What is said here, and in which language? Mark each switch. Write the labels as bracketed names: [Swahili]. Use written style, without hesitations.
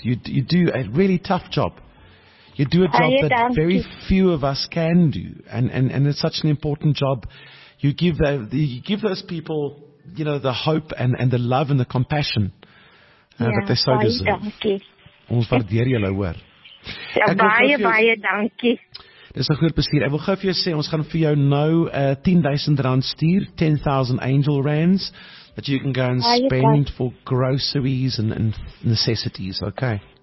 [English] You do a really tough job. You do a job that very few of us can do, and it's such an important job. You give those people, you know, the hope and the love and the compassion that they so deserve. [Afrikaans] Ons waardeer julle hoor. Baie baie dankie. Dis 'n groot plesier. Ek wil gou vir jou sê, ons gaan vir jou nou R10,000 stuur, 10,000 angel rands. [English] That you can go and spend for groceries and necessities, okay?